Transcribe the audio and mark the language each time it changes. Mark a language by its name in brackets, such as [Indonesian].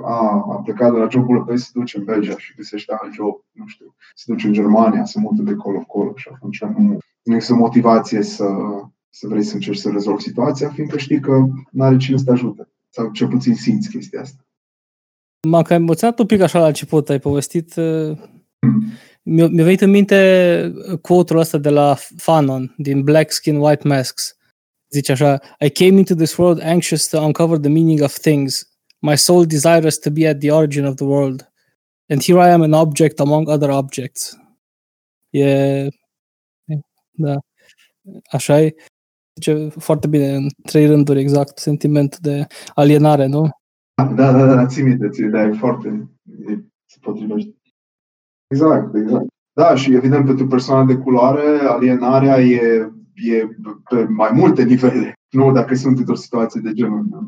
[Romanian] A plecat de la jobul, păi se duce în Belgia și găsește alt job, nu știu, se duce în Germania, se mută de colo-colo și atunci nu există motivație să vrei să încerci să rezolvi situația, fiindcă știi că n-are cine să te ajute. Sau cel puțin simți chestia asta. M-a cam emoționat un pic așa la început, ai povestit. Mi-a venit în minte quote-ul ăsta de la Fanon, din Black Skin, White Masks. Zice așa, [English] I came into this world anxious to uncover the meaning of things. My soul desires to be at the origin of the world. And here I am an object among other objects. [Romanian] Da. Așa e. Zice foarte bine, în trei rânduri exact, sentimentul de alienare, nu? Da, ții minte, e foarte, se potrivește. Exact. Da, și evident pentru persoana de culoare, alienarea e pe mai multe nivele, nu dacă sunt într-o situație de genul.